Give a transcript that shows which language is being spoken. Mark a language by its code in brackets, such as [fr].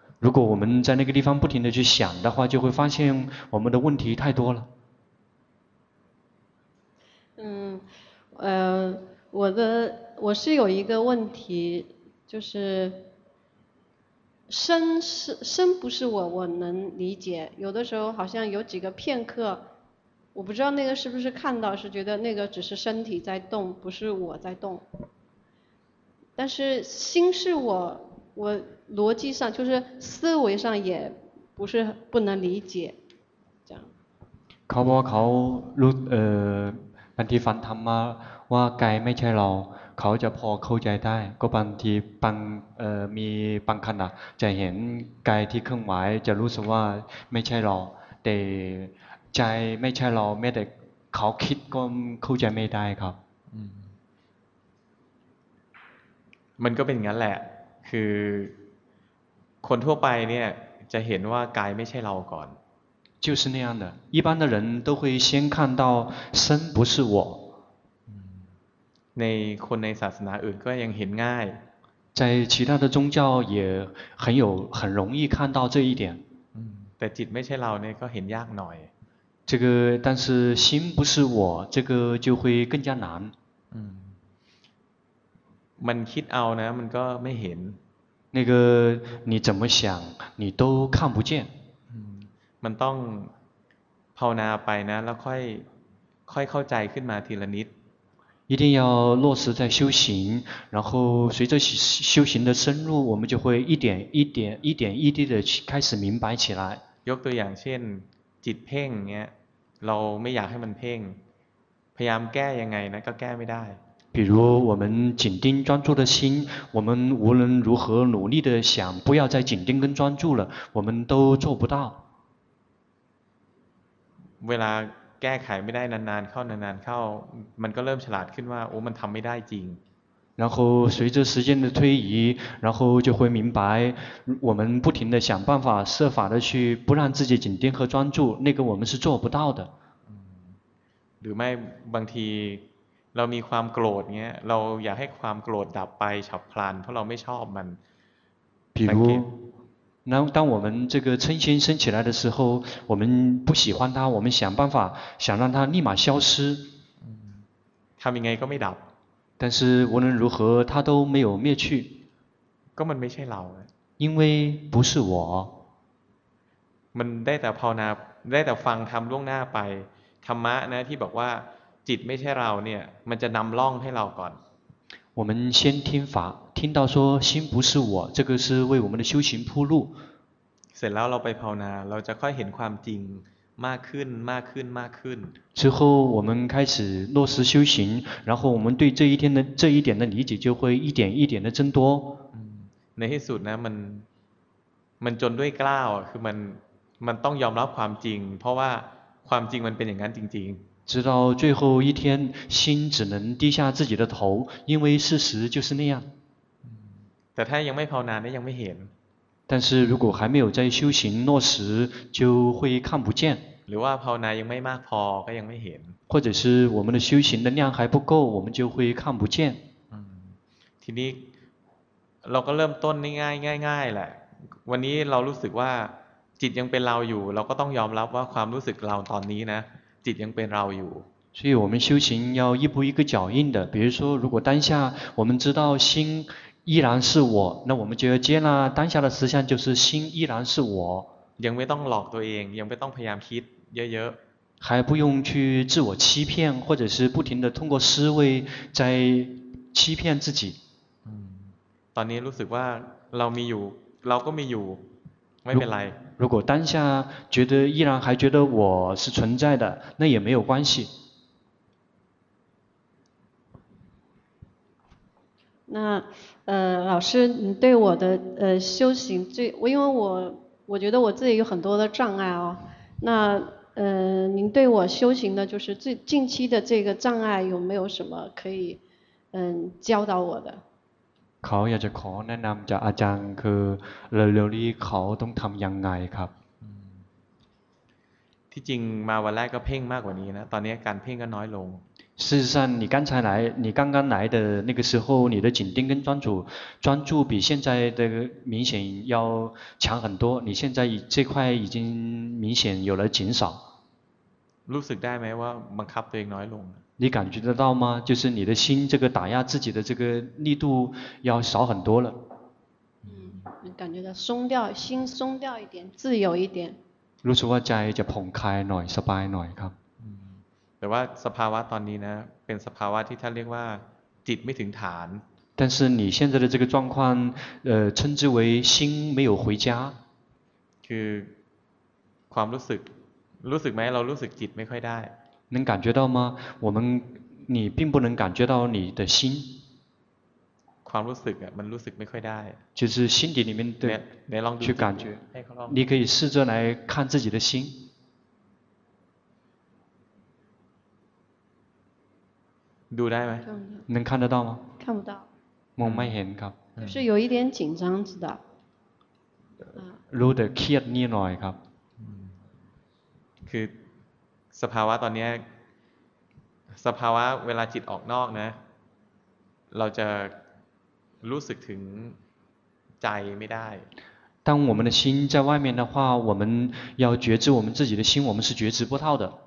[zh] 如果我们在那个地方不停的去想的话就会发现我们的问题太多了我是有一个问题，就是身不是我能理解。有的时候好像有几个片刻，我不知道那个是不是看到，是觉得那个只是身体在动，不是我在动。但是心是我逻辑上就是思维上也不是不能理解，这样。 [th] เขาบอกเขารู้บางทีฟังธรรมะว่ากายไม่ใช่เราเขาจะพอเข้าใจได้ก็บางทีบางมีบางขณะจะเห็นกายที่เคลื่อนไหวจะรู้สึกว่าไม่ใช่เราแต่ใจไม่ใช่เราไม่ได้เขาคิดก็เข้าใจไม่ได้ครับ มันก็เป็นงั้นแหละคือคนทั่วไปเนี่ยจะเห็นว่ากายไม่ใช่เราก่อน [zh] 就是那样的一般的人都会先看到身不是我 [th] ในคนในศาสนาอื่นก็ยังเห็นง่าย [zh] 在其他的宗教也很容易看到这一点 [th] แต่จิตไม่ใช่เราเนี่ยก็เห็นยากหน่อย [zh] 这个但是心不是我这个就会更加难 [th] มันคิดเอานะมันก็ไม่เห็น [zh] 那个你怎么想你都看不见 [th] มันต้องภาวนาไปนะแล้วค่อยเข้าใจขึ้นมาทีละนิด [zh] 一定要落实在修行然后随着修行的深入我们就会一点一点一点一滴的开始明白起来 [th] ยกตัวอย่างเช่นจิตเพ่งเนี้ยเราไม่อยากให้มันเพ่งพยายามแก้ยังไงนะก็แก้ไม่ได้ [zh] 比如我们紧盯专注的心我们无论如何努力的想不要再紧盯跟专注了我们都做不到 [th] เวลาแก้ไขไม่ได้นานๆเข้านานๆเข้ามันก็เริ่มฉลาดขึ้นว่าโอ้มันทำไม่ได้จริง [zh] 然后随着时间的推移然后就会明白我们不停的想办法设法的去不让自己紧盯和专注那个我们是做不到的 [th] หรือไม่บางทีเรามีความโกรธเงี้ยเราอยากให้ความโกรธดับไปฉับพลันเพราะเราไม่ชอบมัน [zh] 比如那当我们这个嗔心升起来的时候我们不喜欢它我们想办法想让它立马消失 [th] ทำยังไงก็ไม่ดับ [zh] 但是无论如何它都没有灭去 [th] ก็มันไม่ใช่เรา [zh] 因为不是我 [th] มันได้แต่ภาวนาได้แต่ฟังธรรมล่วงหน้าไปธรรมะนะที่บอกว่าจิตไม่ใช่เราเนี่ยมันจะนำร่องให้เราก่อน [zh] 我们先听法听到说心不是我这个是为我们的修行铺路 [th] เสร็จแล้วเราไปภาวนาเราจะค่อยเห็นความจริงมากขึ้นมากขึ้นมากขึ้น [zh] 之后我们开始落实修行然后我们对这一天的这一点的理解就会一点一点的增多 [th] ในที่สุดนะมันจนด้วยกล้าวคือมันต้องยอมรับความจริงเพราะว่าความจริงมันเป็นอย่างนั้นจริงๆ [zh] 直到最后一天心只能低下自己的头因为事实就是那样 [th] แต่ถ้ายังไม่ภาวนาเนี่ยยังไม่เห็น [zh] 但是如果还没有在修行落实就会看不见 [th] หรือว่าภาวนายังไม่มากพอก็ยังไม่เห็น [zh] 或者是我们的修行的量还不够我们就会看不见 [th] ทีนี้เราก็เริ่มต้นง่ายง่ายๆแหละวันนี้เรารู้สึกว่าจิตยังเป็นเราอยู่เราก็ต้องยอมรับว่าความรู้สึกเราตอนนี้นะจิตยังเป็นเราอยู่ [zh] 所以我们修行要一步一个脚印的比如说如果当下我们知道心依然是我那我们就要接纳当下的实相就是心依然是我 [th] ยังไม่ต้องหลอกตัวเองยังไม่ต้องพยายามคิดเยอะ [zh] ๆ还不用去自我欺骗或者是不停的通过思维在欺骗自己 [th] ตอนนี้รู้สึกว่าเรามีอยู่เราก็มีอยู่ไม่เป็นไร รู้ก็ตั้งใจ [zh] 觉得依然还觉得我是存在的那也没有关系那老师你对我的修行最我因为我觉得我自己有很多的障碍哦那您对我修行的就是最近期的这个障碍有没有什么可以教导我的 [th] เขาอยากจะขอแนะนำจากอาจารย์คือเร็วๆนี้เขาต้องทำยังไงครับ ที่จริงมาวันแรกก็เพ่งมากกว่านี้นะตอนนี้การเพ่งก็น้อยลง [zh] 事实上你刚才来你刚刚来的那个时候你的紧盯跟专注比现在的明显要强很多你现在这块已经明显有了减少 [th] รู้สึกได้ไหมว่าบังคับตัวเองน้อยลง [zh] 你感觉得到吗就是你的心这个打压自己的这个力度要少很多了感觉到松掉心松掉一点自由一点如果说 [th] ใจจะผ่อนคลายหน่อยสบายหน่อยครับ แต่ว่าสภาวะตอนนี้นะเป็นสภาวะที่ท่านเรียกว่าจิตไม่ถึงฐาน [zh] 但是你现在的这个状况称之为心没有回家 [th] คือความรู้สึกไหมเรารู้สึกจิตไม่ค่อยได้ [zh] 能感觉到吗我们你并不能感觉到你的心 [th] ความรู้สึกมันรู้สึกไม่ค่อยได้ [zh] 就是心底里面的你 [th] ลองดู [zh] 去感觉你可以试着来看自己的心 [th] ดูได้ไ [zh] หม能看得到吗看不到 [th] มองไม่เห็นครับ [zh] 就是有一点紧张知道 [th] รู้แต่เครียดนิดหน่อยครับ คือสภาวะตอนนี้สภาวะเวลาจิตออกนอกนะเราจะรู้สึกถึงใจไม่ได้ [zh] 当我们的心在外面的话我们要觉知我们自己的心我们是觉知不到的